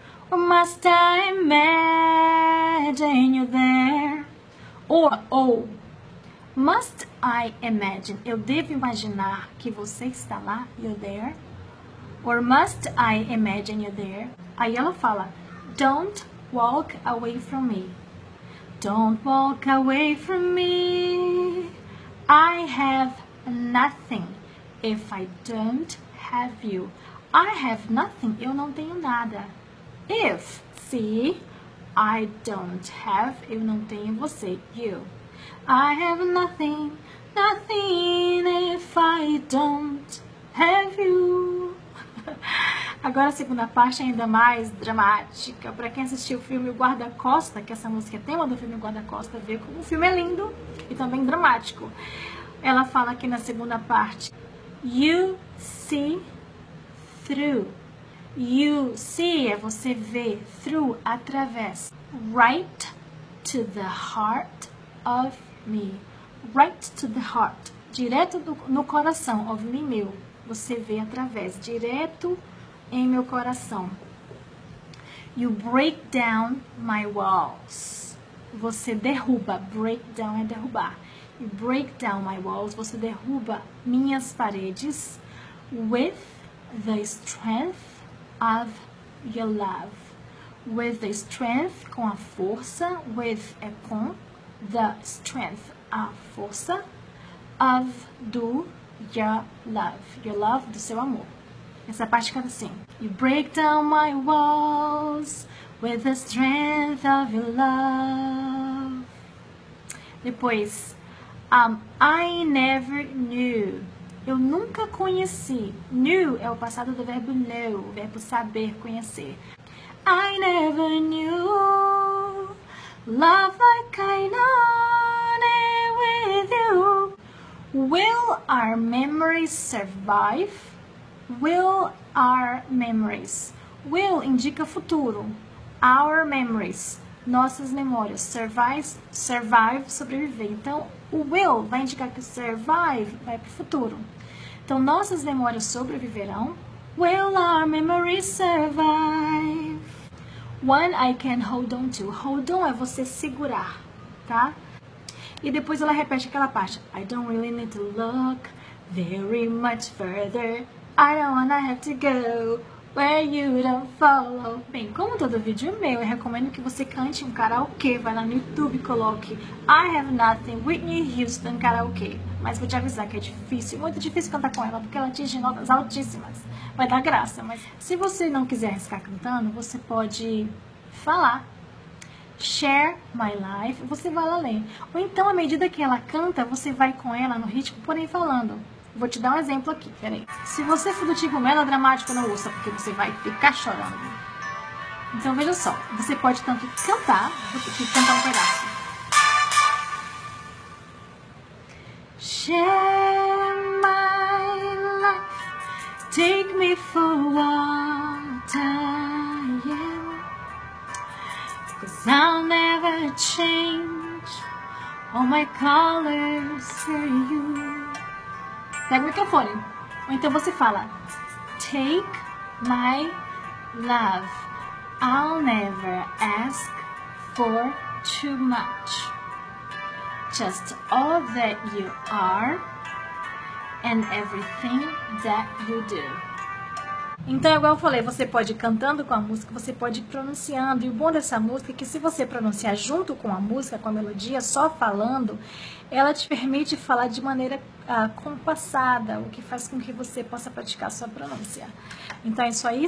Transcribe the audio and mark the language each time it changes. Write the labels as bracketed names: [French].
[English] Or must I imagine you there? [Portuguese] Or, ou, [English] must I imagine, [Portuguese] eu devo imaginar que você está lá, [English] you there? Or must I imagine you there? [Portuguese] Aí ela fala, [English] don't walk away from me. Don't walk away from me. I have nothing if I don't have you. I have nothing. [Portuguese] Eu não tenho nada. [English] If, [Portuguese] se, [English] I don't have. [Portuguese] Eu não tenho você. You. [English] I have nothing, nothing if I don't have you. [Portuguese] Agora a segunda parte é ainda mais dramática. Pra quem assistiu o filme Guarda-Costa, que essa música é tema do filme Guarda-Costa, vê como o filme é lindo e também dramático. Ela fala aqui na segunda parte, [English] you see through. You see [Portuguese] é você vê, [English] through, [Portuguese] através. [English] Right to the heart of me. Right to the heart. [Portuguese] Direto no coração, [English] of me, [Portuguese] meu. Você vê através, direto em meu coração. [English] You break down my walls. [Portuguese] Você derruba. [English] Break down [Portuguese] é derrubar. [English] You break down my walls. [Portuguese] Você derruba minhas paredes. [English] With the strength of your love. With the strength, [Portuguese] com a força. [English] With [Portuguese] é com. [English] The strength, [Portuguese] a força. [English] Of, [Portuguese] do, [English] your love. Your love, [Portuguese] do seu amor. Essa parte fica assim. [English] You break down my walls with the strength of your love. [Portuguese] Depois, [English] I never knew. [Portuguese] Eu nunca conheci. Knew é o passado do verbo know, o verbo saber, conhecer. [English] I never knew love like I know with you. Will our memories survive? Will our memories. Will [Portuguese] indica futuro. [English] Our memories. [Portuguese] Nossas memórias. [English] Survive, survive, [Portuguese] sobreviver. Então, o will vai indicar que survive vai para o futuro. Então, nossas memórias sobreviverão. [English] Will our memories survive? One I can hold on to. Hold on [Portuguese] é você segurar, tá? E depois ela repete aquela parte. [English] I don't really need to look very much further. I don't wanna have to go where you don't follow. [Portuguese] Bem, como todo vídeo meu, eu recomendo que você cante um karaokê. Vai lá no YouTube e coloque I have nothing, Whitney Houston, karaokê. Mas vou te avisar que é difícil, muito difícil cantar com ela, porque ela atinge notas altíssimas. Vai dar graça, mas se você não quiser arriscar cantando, você pode falar. [English] Share my life, [Portuguese] você vai lá ler. Ou então, à medida que ela canta, você vai com ela no ritmo, porém falando. Vou te dar um exemplo aqui, peraí. Se você for do tipo melodramático, não ouça, porque você vai ficar chorando. Então, veja só, você pode tanto cantar, do que cantar um pedaço. [English] Share my life, take me for what I am. Cause I'll never change all my colors for you. [Portuguese] Pega o microfone. Ou então você fala: [English] Take my love, I'll never ask for too much. Just all that you are and everything that you do. [Portuguese] Então, igual eu falei, você pode ir cantando com a música, você pode ir pronunciando. E o bom dessa música é que se você pronunciar junto com a música, com a melodia, só falando, ela te permite falar de maneira compassada, o que faz com que você possa praticar a sua pronúncia. Então, é isso aí.